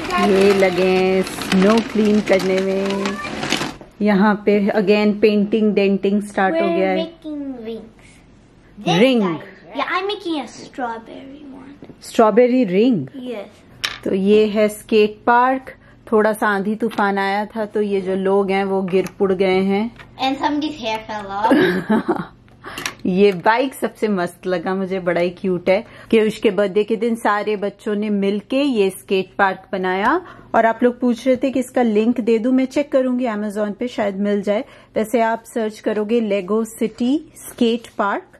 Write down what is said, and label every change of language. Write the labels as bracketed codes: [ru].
[hi] ये लगे snow clean करने में। यहाँ पे अगेन पेंटिंग डेंटिंग स्टार्ट हो गया है। [en] We're making rings. Ring, yeah, I'm making a strawberry one. Strawberry ring, yes. [hi] तो ये है स्केट पार्क, थोड़ा सा आंधी तूफान आया था तो ये जो लोग हैं वो गिर पुड़ गए हैं। [en] And somebody's hair fell off. [hi] ये बाइक सबसे मस्त लगा मुझे, बड़ा ही क्यूट है। कियुष के बर्थडे के दिन सारे बच्चों ने मिलके ये स्केट पार्क बनाया। और आप लोग पूछ रहे थे कि इसका लिंक दे दूं, मैं चेक करूंगी अमेजोन पे, शायद मिल जाए। वैसे आप सर्च करोगे लेगो सिटी स्केट पार्क।